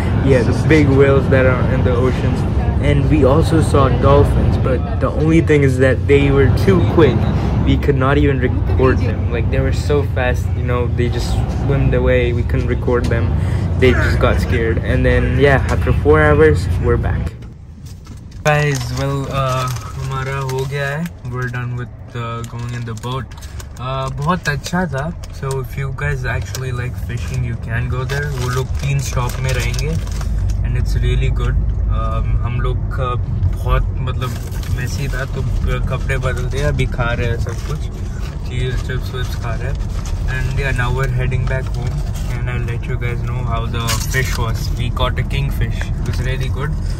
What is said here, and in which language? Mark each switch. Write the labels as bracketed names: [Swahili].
[English] Yeah, the big whales that are in the oceans. And we also saw dolphins, but the only thing is that they were too quick. We could not even record them. Like, they were so fast, you know, they just swimmed away. We couldn't record them. They just got scared. And then, yeah, after 4 hours, we're back. Guys, well, [Hindi] हमारा हो गया है. [English] We're done with going in the boat. [Hindi] बहुत अच्छा था. [English] So if you guys actually like fishing, you can go there. [Hindi] वो लोग तीन स्टॉप में रहेंगे. [English] And it's really good. [Hindi] हम लोग बहुत मतलब मेसी था तो कपड़े बदल दिए, अभी खा रहे है सब कुछ. [English] Cheese chips which [Hindi] kha rahe. [English] And yeah, now we're heading back home. And I'll let you guys know how the fish was. We caught a kingfish. It was really good.